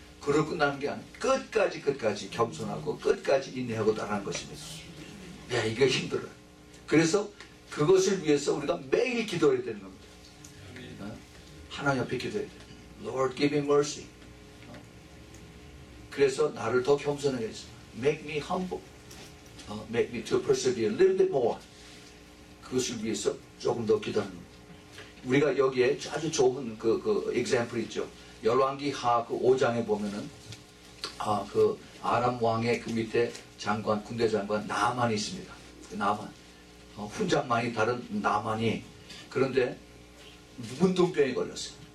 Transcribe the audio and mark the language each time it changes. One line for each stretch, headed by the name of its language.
Korean: 그걸 끝나는 게 아니라 끝까지 겸손하고 끝까지 인내하고 따라가는 것입니다. 야, 이게 힘들어요. 그래서 그것을 위해서 우리가 매일 기도해야 되는 겁니다. 하나님 앞에 기도해야 돼.
English: Lord, give me mercy.
Korean: 그래서 나를 더 겸손하게 해서
English: Make me humble. Make me to persevere a little bit more.
Korean: 그것을 위해서 조금 더 기도하는 겁니다. 우리가 여기에 아주 좋은 그 example 있죠. 열왕기하 그 5장에 보면은 그 아람 왕의 그 밑에 장관, 군대 장관 나만이 있습니다. 그 나만. 훈장만이 다른 나만이. 그런데 문둥병이 걸렸어요.